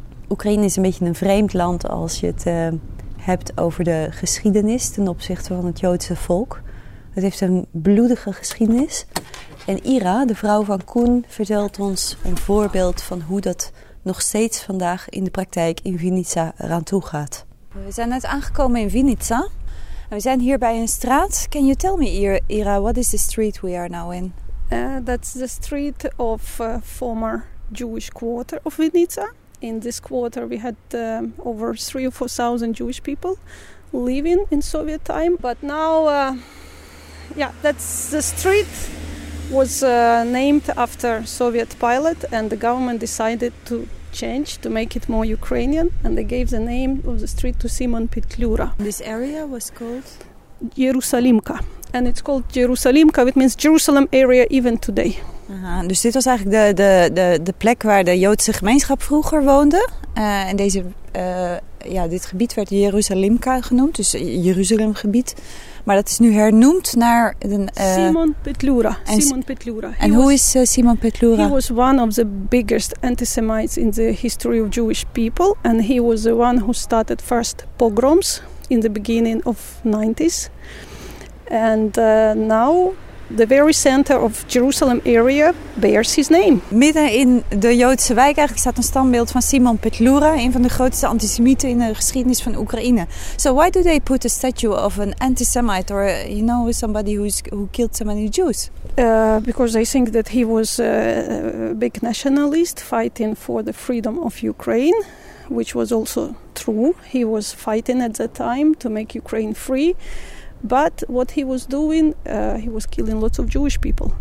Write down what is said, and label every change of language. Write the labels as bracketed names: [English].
[Dutch] Oekraïne is een beetje een vreemd land als je het hebt over de geschiedenis ten opzichte van het Joodse volk. Het heeft een bloedige geschiedenis. En Ira, de vrouw van Koen, vertelt ons een voorbeeld van hoe dat nog steeds vandaag in de praktijk in Vinnytsia eraan toe gaat. We zijn net aangekomen in Vinnytsia. We zijn hier bij een straat. [English] Can you tell me, Ira, what is the street we are now in? That's the street of former Jewish quarter of Vinnytsia. In this quarter we had over 3,000 or 4,000 Jewish people living in Soviet time. But now, that's the street was named after Soviet pilot, and the government decided to change to make it more Ukrainian, and they gave the name of the street to Simon Petlura. This area was called Jerusalemka, and it's called Jerusalemka, which means Jerusalem area even today. [Dutch] Dus dit was eigenlijk de plek waar de Joodse gemeenschap vroeger woonde. En deze dit gebied werd Jerusalemka genoemd, dus Jeruzalem gebied. Maar dat is nu hernoemd naar Simon Petlura. Simon Petlura. En hoe is Simon Petlura? [English] He was one of the biggest anti-Semites in the history of Jewish people. And he was the one who started first pogroms in the beginning of 90s. And now the very center of Jerusalem area bears his name. [Dutch] Midden in de Joodse wijk eigenlijk staat een standbeeld van Simon Petlura, een van de grootste antisemieten in de geschiedenis van Oekraïne. [English] So why do they put a statue of an anti-Semite or you know somebody who killed so many Jews? Because they think that he was a big nationalist fighting for the freedom of Ukraine, which was also true. He was fighting at that time to make Ukraine free. But what he was doing, he was killing lots of Jewish people.